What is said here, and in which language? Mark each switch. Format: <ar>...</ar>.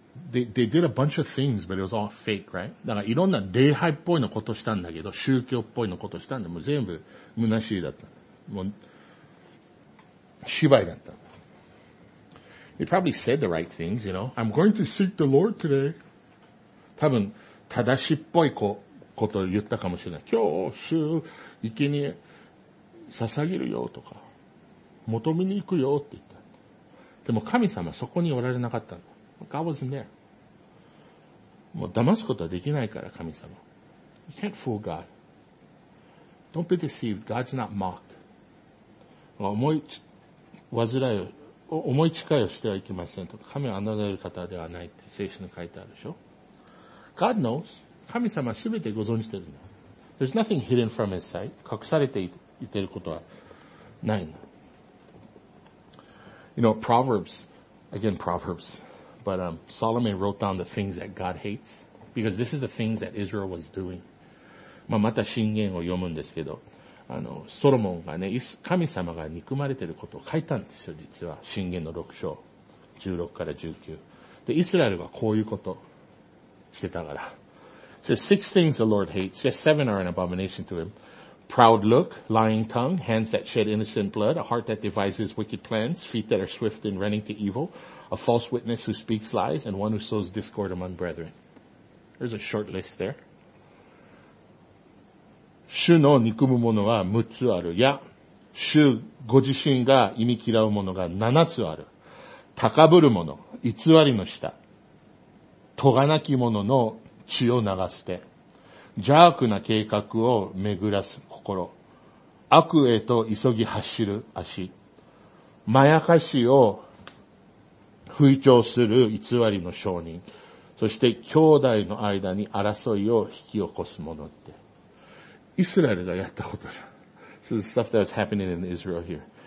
<en>They did a bunch of things, but it was all fake, right?</en> <ja>だからいろんな礼拝っぽいのことしたんだけど、宗教っぽいのことしたんで、もう全部虚しいだった。もう芝居だった。</ja> <en>He probably said the right things, you know. I'm going to seek the Lord today.</en> <ja>多分正しいっぽいことを言ったかもしれない。今日主生贄捧げるよとか求めに行くよって言った。でも神様そこにおられなかったの。</ja> <en>God wasn't there.</en> <ja>もう騙すことはできないから神様。</ja> <en>You can't fool God. Don't be deceived. God's not mocked.</en> <ja>思い煩いを思い誓いをしてはいけませんとか、神は侮る方ではないって聖書に書いてあるでしょ。</ja> <en>God knows.</en> <ja>神様すべてご存知してるの。</ja> <en>There's nothing hidden from his sight.</en> <ja>隠されていてることはないの。</ja> <en>You know, Proverbs. Again, Proverbs. But, Solomon wrote down the things that God hates. Because this is the things that Israel was doing.</en> <ja>まあ、また箴言を読むんですけど。あのソロモンがね、神様が憎まれていることを書いたんですよ、実は。箴言の6章16から19。で、イスラエルはこういうことしてたから。</ja> <en>So six things the Lord hates. Just seven are an abomination to him. Proud look, lying tongue, hands that shed innocent blood, a heart that devises wicked plans, feet that are swift in running to evil, a false witness who speaks lies, and one who sows discord among brethren. There's a short list there.</en> <ja>主の憎むものは6つある。いや、主ご自身が忌み嫌うものが7つある。高ぶるもの、偽りの舌、とがなき者の血を流す手、邪悪な計画を巡らす心、悪へと急ぎ走る足、まやかしを吹聴する偽りの証人、そして兄弟の間に争いを引き起こす者って。イスラエルがやったことだ。</ja> <en>So the stuff that was happening in Israel here.</en>